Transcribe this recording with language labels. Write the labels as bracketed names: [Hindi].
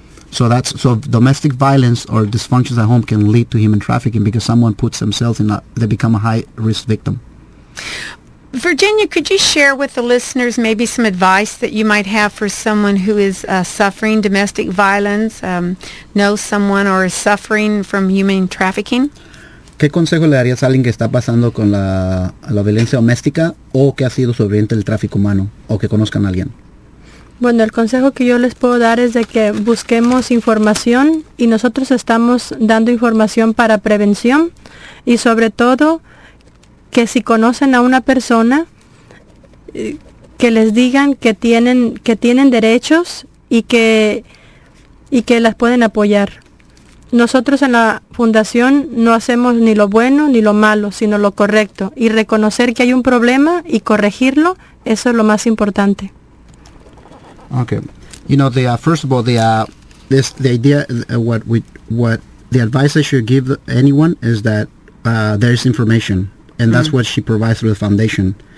[English] So that's, so domestic violence or dysfunctions at home can lead to human trafficking because someone puts themselves in a, they become a high-risk victim. Virginia, could you share with the listeners maybe some advice that you might have for someone who is suffering domestic violence, knows someone or is suffering from human trafficking? [Spanish] ¿Qué consejo le darías a alguien que está pasando con la, la violencia doméstica o que ha sido sobreviviente del tráfico humano o que conozcan a alguien? Bueno, el consejo que yo les puedo dar es de que busquemos información y nosotros estamos dando información para prevención y sobre todo que si conocen a una persona que les digan que tienen derechos y que las pueden apoyar. Nosotros en la fundación no hacemos ni lo bueno ni lo malo, sino lo correcto. Y reconocer que hay un problema y corregirlo, eso es lo más importante. [English] Okay, you know, the first of all, the this the idea what we what the advice I should give anyone is that there is information, and that's what she provides through the foundation,